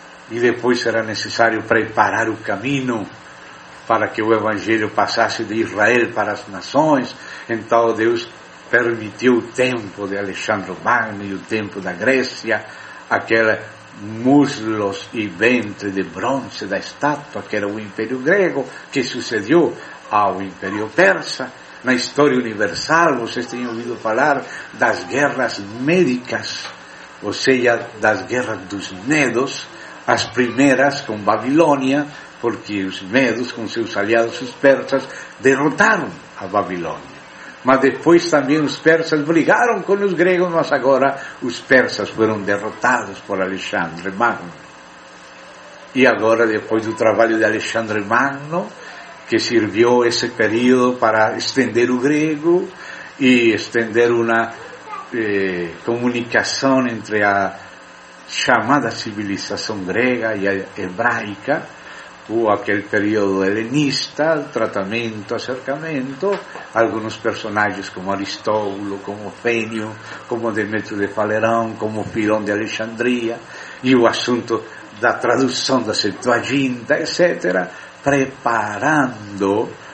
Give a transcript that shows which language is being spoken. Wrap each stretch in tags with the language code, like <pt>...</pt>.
<es>Y después será necesario preparar el camino para que el Evangelio pasase de Israel para las naciones. Entonces Dios permitió el tiempo de Alejandro Magno y el tiempo de Grecia, aquel muslos y ventre de bronce da estatua, que era un imperio griego, que sucedió a un imperio persa.</es> <pt>Na historia universal, vocês têm ouvido falar das guerras médicas, ou seja, das guerras dos medos, as primeiras com Babilônia, porque os medos, com seus aliados, os persas, derrotaram a Babilônia. Mas depois também os persas brigaram com os gregos, mas agora os persas foram derrotados por Alexandre Magno. E agora, depois do trabalho de Alexandre Magno,</pt> <es>que sirvió ese periodo para extender el griego y extender una comunicación entre la llamada civilización griega y hebraica, o aquel periodo helenista, tratamiento, acercamiento, algunos personajes como Aristóbulo, como Fenio, como Demetrio de Falerón, como Filón de Alejandría, y el asunto de la traducción de la Septuaginta, etc., preparando</es>